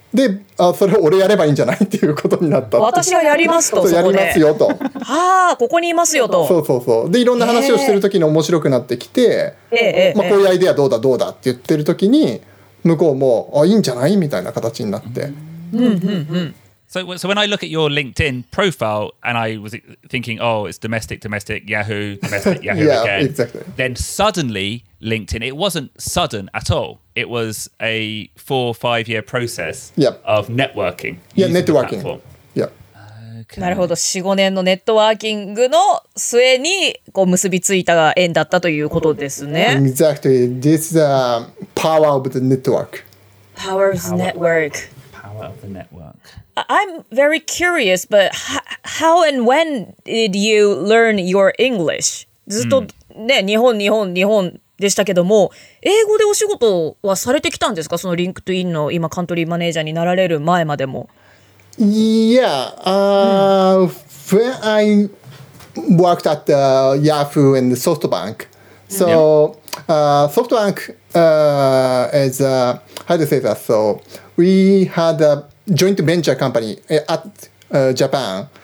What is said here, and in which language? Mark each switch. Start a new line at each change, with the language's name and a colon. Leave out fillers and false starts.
Japanese: で、あ、それを俺やればいいんじゃないっていうことになった。私はやりますと、そこでやりますよと。はあ、ここにいますよと。そうそうそう。で、いろんな話をしてる時に面白くなってきて、まあ、こういうアイデアどうだどうだって言ってる時に向こうも、あ、いいんじゃないみたいな形になって。うんうんうん。
English: So when I look at your LinkedIn profile and I was thinking, oh, it's domestic, Yahoo, domestic, Yahoo again. Yeah, exactly. Then suddenly LinkedIn, it wasn't sudden at all. It was a 4-5 year process of networking. Yeah, networking.
Japanese: なるほど。 4、5年のネットワーキングの末にこう結びついた縁だったということですね。
English: Exactly. This is the power of the network. Power of the network. Power of the network. I'm very curious, but how and when did you learn your English?
Japanese: ずっと、ね、日本でしたけども、英語でお仕事はされてきたんですか？そのリンクトインの今カントリーマネージャーになられる前までも。
English: Yeah, when I worked at Yahoo and SoftBank. So, SoftBank is how to say that. So, we had a joint venture company at Japan.